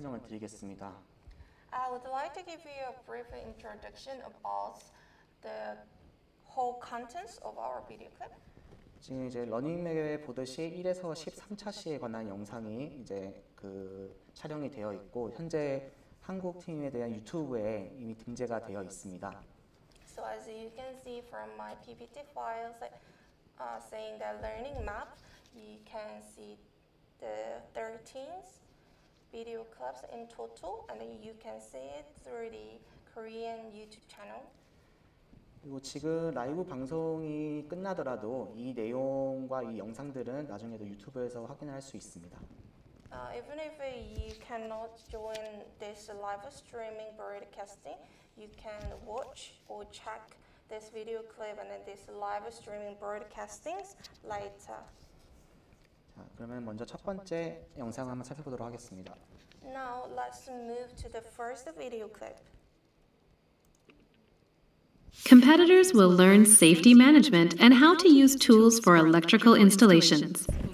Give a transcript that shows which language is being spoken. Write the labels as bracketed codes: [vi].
[en] would like to give you a brief introduction about the whole contents of our video clip. [ko] 지금 이제 러닝맵에 보듯이 1에서 13차 시에 관한 영상이 이제 그 촬영이 되어 있고 현재 한국 팀에 대한 유튜브에 이미 등재가 되어 있습니다. [en] So as you can see from my PPT files saying that learning map, you can see the 13 video clips in total, and you can see it through the Korean YouTube channel. [ko] 그리고 지금 라이브 방송이 끝나더라도 이 내용과 이 영상들은 나중에도 유튜브에서 확인할 수 있습니다. [en] Even if you cannot join this live streaming broadcasting, you can watch or check this video clip and this live streaming broadcastings later. [ko] 그러면 먼저 첫 번째 영상 한번 살펴보도록 하겠습니다. [en] Now let's move to the first video clip. Competitors will learn safety management and how to use tools for electrical installations.